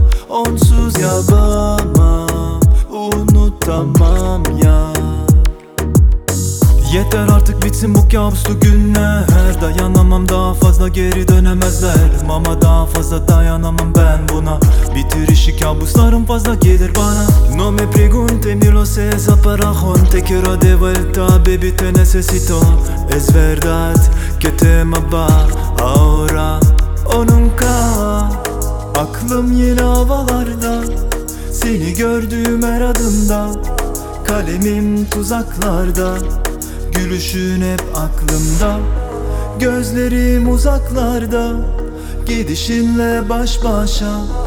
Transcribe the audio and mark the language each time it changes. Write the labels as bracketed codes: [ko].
[tr] Onsuz yapamam, unutamam ya. Yeter artık bitsin bu kabuslu günler. Dayanamam daha fazla, geri dönemezler. Mama daha fazla dayanamam ben buna. Bitir işi kabuslarım fazla gelir bana. [es] No me pregunte ni lo sé, zaparajón. Te quiero de vuelta, baby te necesito. Es verdad que te amaba ahora o nunca. [tr] Aklım yine havalarda, seni gördüğüm her adımda. Kalemim tuzaklarda, gülüşün hep aklımda. Gözlerim uzaklarda, gidişinle baş başa.